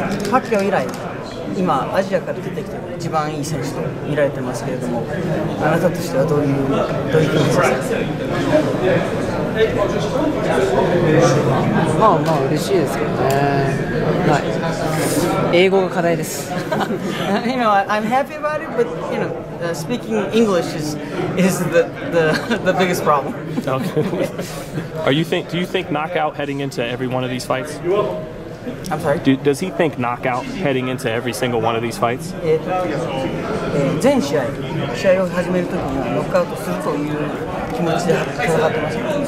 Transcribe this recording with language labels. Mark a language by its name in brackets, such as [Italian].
[Japanese] Pacquiao 以来、今アジアから出てきて一番いい選手と見られてますけれども、あなたとしてはどういう気持ちですか? まあまあ嬉しいですけどね。はい。英語が課題です。 [English] You know, I'm happy about it, but you know, speaking English is the biggest problem. Okay. Do you think knockout heading into every one of these fights? I'm sorry. Does he think knockout heading into every single one of these fights? [Japanese] 全試合、試合を始めるときにはノックアウトするという気持ちで戦ってますか？